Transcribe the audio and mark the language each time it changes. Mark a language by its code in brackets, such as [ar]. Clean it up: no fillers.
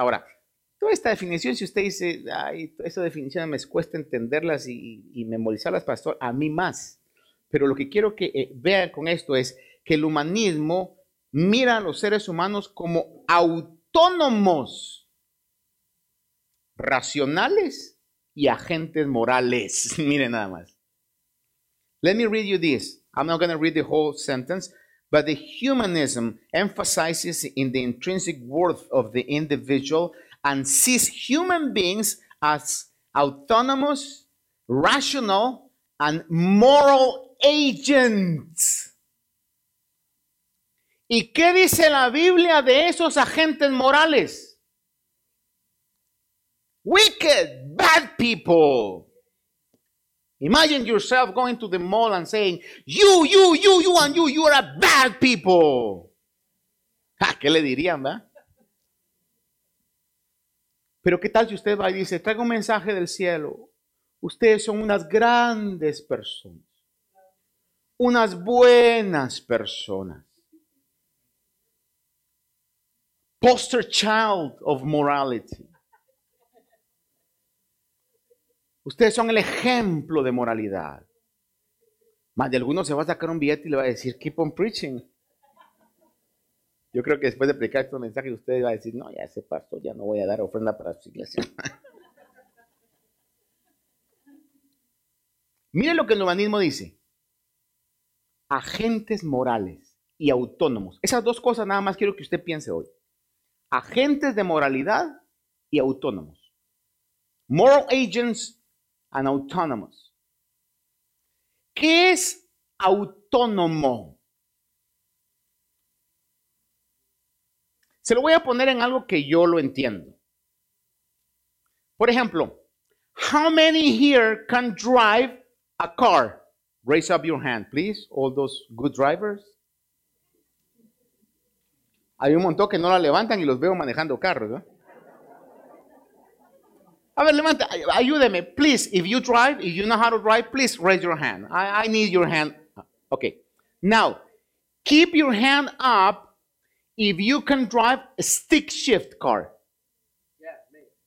[es] Ahora, toda esta definición, si usted dice, ay, esa definición me cuesta entenderlas y memorizarlas, pastor, a mí más. Pero lo que quiero que vean con esto es que el humanismo mira a los seres humanos como autónomos, racionales y agentes morales. Miren nada más. [en] Let me read you this. I'm not going to read the whole sentence, but the humanism emphasizes in the intrinsic worth of the individual and sees human beings as autonomous, rational, and moral agents. [es] ¿Y qué dice la Biblia de esos agentes morales? [en] Wicked, bad people. Imagine yourself going to the mall and saying, you are a bad people. [es] Ja, ¿qué le dirían, va? Pero ¿qué tal si usted va y dice, traigo un mensaje del cielo? Ustedes son unas grandes personas. Unas buenas personas. [en] Poster child of morality. [es] Ustedes son el ejemplo de moralidad. Más de alguno se va a sacar un billete y le va a decir, [en] keep on preaching. [es] Yo creo que después de predicar este mensaje, ustedes van a decir, no, ya se pasó, ya no voy a dar ofrenda para su iglesia. Mire lo que el humanismo dice. Agentes morales y autónomos. Esas dos cosas nada más quiero que usted piense hoy. Agentes de moralidad y autónomos. [en] Moral agents and autonomous. [es] ¿Qué es autónomo? Se lo voy a poner en algo que yo lo entiendo. Por ejemplo, [en] how many here can drive a car? Raise up your hand, please. All those good drivers. [es] Hay un montón que no la levantan y los veo manejando carros, ¿no? A ver, levanta, ayúdeme, [en] please, if you drive, if you know how to drive, please raise your hand. I need your hand. Okay, now, keep your hand up if you can drive a stick shift car. Yeah, me.